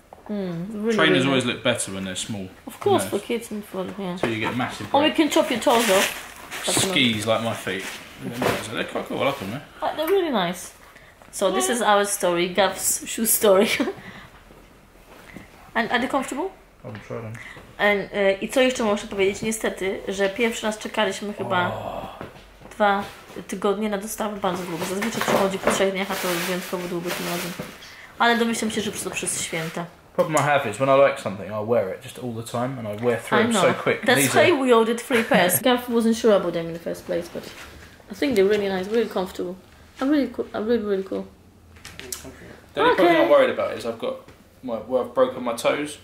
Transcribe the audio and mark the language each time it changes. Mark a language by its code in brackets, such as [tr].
[en] Really, trainers really always look better when they're small. Of course, for kids and for, yeah. So you get massive breaks. Or you can chop your toes off. Skis like my feet. They're quite cool, I like them, eh? They're really nice. So yeah, this is our story, Gav's shoe story. And are they comfortable? I'm trying. And, [pl] i co jeszcze muszę powiedzieć? Niestety, że pierwszy raz czekaliśmy chyba dwa tygodnie na dostawę, bardzo długo. Zazwyczaj przychodzi po trzech dniach, a to wyjątkowo długo tym razem. Ale domyślam się, że to przez święta. [en] Problem I have is when I like something, I wear it just all the time and I wear through them so quick. That's why we ordered three pairs. Gav wasn't sure about them in the first place, but I think they're really nice, really comfortable. I'm really cool. The only problem I'm worried about is I've broken my toes.